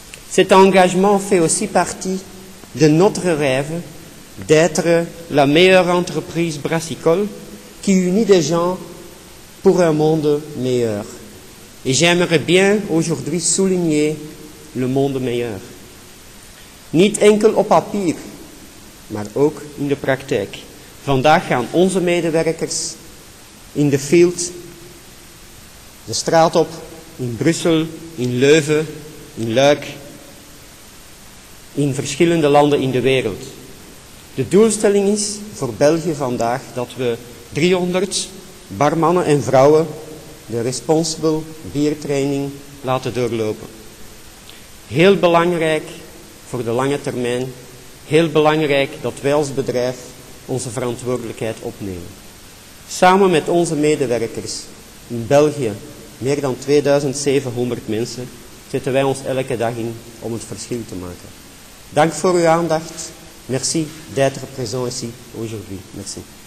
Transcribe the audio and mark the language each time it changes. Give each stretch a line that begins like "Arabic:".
French: Cet engagement fait aussi partie de notre rêve d'être la meilleure entreprise brassicole qui unit des gens pour un monde meilleur. Et j'aimerais bien aujourd'hui souligner le monde meilleur.
Dutch: Niet enkel op papier, maar ook in de praktijk. Vandaag gaan onze medewerkers in de field de straat op, in Brussel, in Leuven, in Luik, in verschillende landen in de wereld. De doelstelling is voor België vandaag dat we 300 barmannen en vrouwen de Responsible Beer Training laten doorlopen. Heel belangrijk voor de lange termijn, heel belangrijk dat wij als bedrijf onze verantwoordelijkheid opnemen. Samen met onze medewerkers in België, meer dan 2700 mensen, zetten wij ons elke dag in om het verschil te maken. Dank voor uw aandacht.
French: Merci d'être présent ici aujourd'hui. Merci.